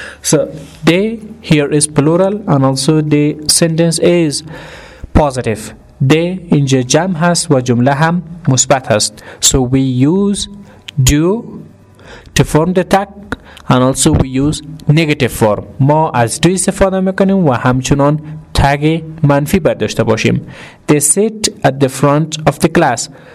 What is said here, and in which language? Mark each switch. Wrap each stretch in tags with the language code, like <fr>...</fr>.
<en>So they here is plural and also the sentence is positive.</en> <fa>They اینجا جمع هست و جمله هم مثبت هست.</fa> <en>So we use do to form the tag and also we use negative form.</en> <fa>ما از do استفاده میکنیم و همچنان tag منفی برداشته باشیم.</fa> <en>They sit at the front of the class.</en>